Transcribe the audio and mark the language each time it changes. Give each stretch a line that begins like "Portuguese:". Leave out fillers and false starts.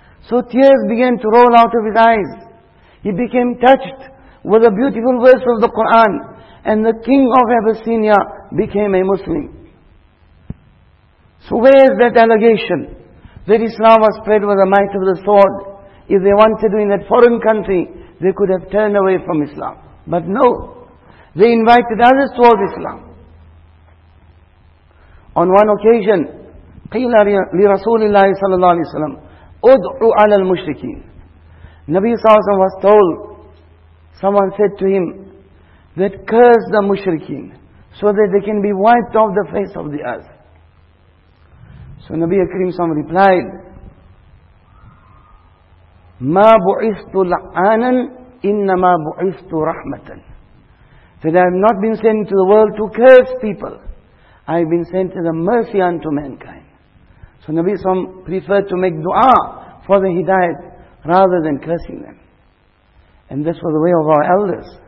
English: So tears began to roll out of his eyes. He became touched with a beautiful verse of the Quran, and the king of Abyssinia became a Muslim. So where is that allegation that Islam was spread with the might of the sword? If they wanted to in that foreign country, they could have turned away from Islam. But no, they invited others towards Islam.
Arabic: On one occasion, قِيلَ لِرَسُولِ اللَّهِ صَلَى اُدْعُ عَلَى الْمُشْرِكِينَ.
English: Nabi Sallallahu was told, someone said to him, that curse the mushrikeen so that they can be wiped off the face of the earth.
Arabic: So Nabi Akrim Sallallahu replied, مَا بُعِثْتُ لَعَانًا إِنَّمَا بُعِثْتُ رَحْمَةً.
English: that I have not been sent to the world to curse people. I have been sent as a mercy unto mankind. So Nabi Sallam preferred to make dua for the hidayat rather than cursing them. And this was the way of our elders.